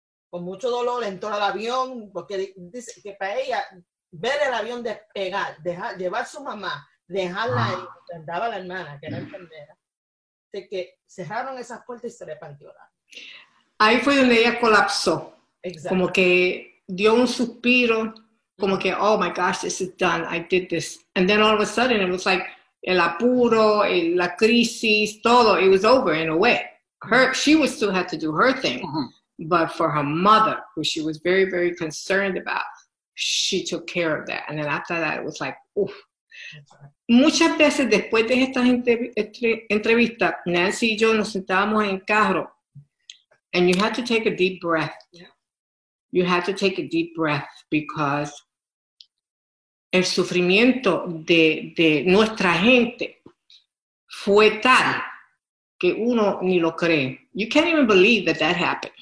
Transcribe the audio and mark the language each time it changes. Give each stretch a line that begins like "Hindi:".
Spanish: Con mucho dolor entró al avión, porque dice que para ella ver el avión despegar, llevar a su mamá, dejarla ahí, andaba la hermana, que era enfermera, de que cerraron esas puertas y se le partió la. Ahí fue donde ella colapsó. Exacto. Como que dio un suspiro, como que,
English: oh my gosh, this is done, I did this. And then all of a sudden it was like,
Spanish: el apuro, el, la crisis, todo.
English: It was over in a way. Her, she would still have to do her thing. But for her mother, who she was very, very concerned about, she took care of that. And then after that, it was like, oof.
Spanish: Muchas veces después de estas entrevistas, Nancy y yo nos sentábamos en carro.
English: And you had to take a deep breath. You had to take a deep breath because
Spanish: el sufrimiento de nuestra gente fue tal que uno ni lo cree.
English: You can't even believe that that happened.